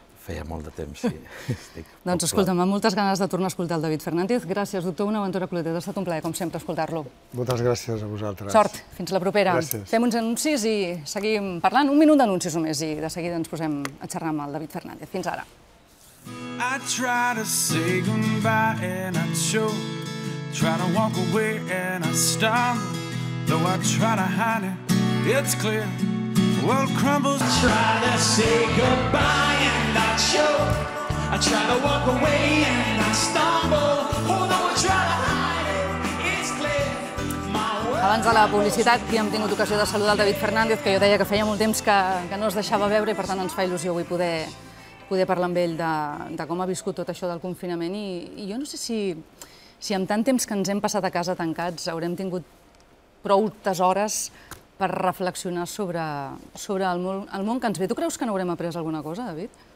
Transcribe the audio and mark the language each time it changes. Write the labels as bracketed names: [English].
[Catalan] Feia molt de temps, sí. Estic doncs escolta'm, amb moltes ganes de tornar a escoltar el David Fernández. Gràcies, doctor, una aventura clotet. Ha estat un plaer, com sempre, escoltar-lo. Moltes gràcies a vosaltres. Sort, fins la propera. Gràcies. Fem uns anuncis i seguim parlant. Un minut d'anuncis només i de seguida ens posem a xerrar amb el David Fernández. Fins ara. [English] I try to say goodbye and I choke. Try to walk away and I stumble. Though I try to hide it, it's clear. World crumbles. I try to say goodbye and I choke. I try to walk away and I stumble. Oh no, I try to [Catalan] Abans de la publicitat, hi hem tingut ocasió de saludar el David Fernández, que jo deia que feia molt temps que no es deixava veure i per tant ens fa il·lusió avui poder parlar amb ell de com ha viscut tot això del confinament. I jo no sé si amb tant temps que ens hem passat a casa tancats haurem tingut prou hores per reflexionar sobre el món que ens ve. Tu creus que n'haurem après alguna cosa, David?